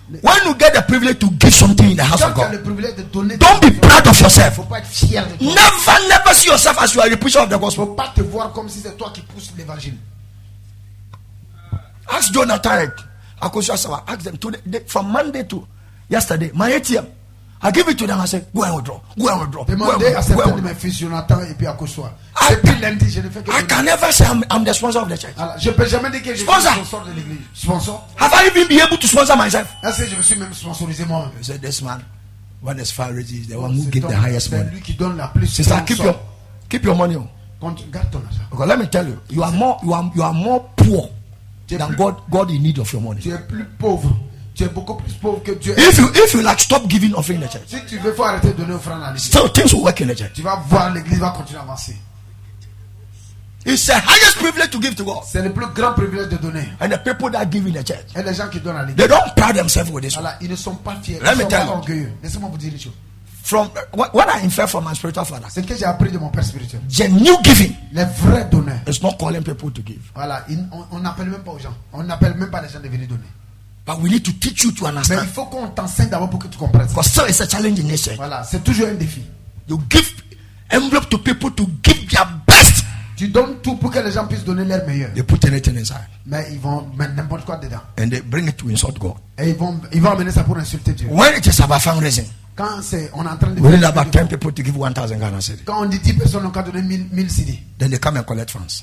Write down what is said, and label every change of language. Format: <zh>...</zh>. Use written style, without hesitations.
<en>When you get the privilege to give something in the house</en> <fr>quand</fr> <en>of God,</en> <fr>le privilège de donner,</fr> <en>don't be proud of yourself.</en> <fr>Faut pas être fier de toi.</fr> <en>Never see yourself as you are a preacher of the gospel.</en> <fr>Faut pas te voir comme si c'est toi qui pousse l'évangile.</fr> <en>Ask Jonathan, Akosua Sawa, ask them today, from Monday to yesterday, my ATM, I give it to them, I say, go and withdraw, go and withdraw.</en> <fr>Demandez à certains de mes fils, Jonathan et puis Akosua.</fr> <en>I can never say I'm the sponsor of the church.</en> <fr>Alors, je peux jamais dire que je suis sponsor de l'église.</fr> <en>Sponsor? Have I even been able to sponsor myself?</en> <fr>Est-ce que je me suis même sponsorisé moi?</fr> <en>He said, this man, when his father is the one who gives the highest money.</en> <fr>C'est lui qui donne la plus. C'est ça,</fr> <en>keep your money.</en> <fr>Garde ton argent.</fr> <en>Okay, let me tell you, you are more poor. Than God in need of your money.</en> <fr>Tu es plus pauvre. Tu es beaucoup plus pauvre que Dieu.</fr> <en>If you like, stop giving offering the church.</en> <fr>Si tu veux, faut arrêter de donner offrande à l'église.</fr> <en>Still, things will work in the church.</en> <fr>Tu vas voir l'église va continuer à avancer.</fr> <en>It's the highest privilege to give to God.</en> <fr>C'est le plus grand privilège de donner.</fr> <en>And the people that give in the church.</en> <fr>Et les gens qui donnent à l'église.</fr> <en>They don't pride themselves with this.</en> <fr>Voilà, ils ne sont pas fiers.</fr> <en>Let me tell you.</en> <fr>Orgueilleux. Laissez-moi vous dire une chose.</fr> <en>From what I infer from my spiritual father,</en> <fr>c'est que j'ai appris de mon père spirituel.</fr> <en>Genuine giving,</en> <fr>le vrai donneur,</fr> <en>is not calling people to give.</en> <fr>Voilà, on n'appelle même pas aux gens. On n'appelle même pas les gens de venir donner.</fr> <en>But we need to teach you to understand.</en> <fr>Mais il faut qu'on t'enseigne d'abord pour que tu comprennes.</fr> <en>Because still, it's a challenge in nature.</en> <fr>Voilà, c'est toujours un défi.</fr> <en>You give envelope to people to give their best.</en> <fr>Tu donnes tout pour que les gens puissent donner leur meilleur.</fr> <en>They put anything inside.</en> <fr>Mais ils vont mettre n'importe quoi dedans.</fr> <en>And they bring it to insult God.</en> <fr>Et ils vont amener ça pour insulter Dieu.</fr> <en>When it is about fundraising.</en> <fr>Quand c'est, on est en train de faire</fr> <en>about 10 people to give 1,000 Ghana CD.</en> <fr>Quand on dit 10 personnes, on peut donner 1,000 CD.</fr> <en>Then they come and collect funds.</en>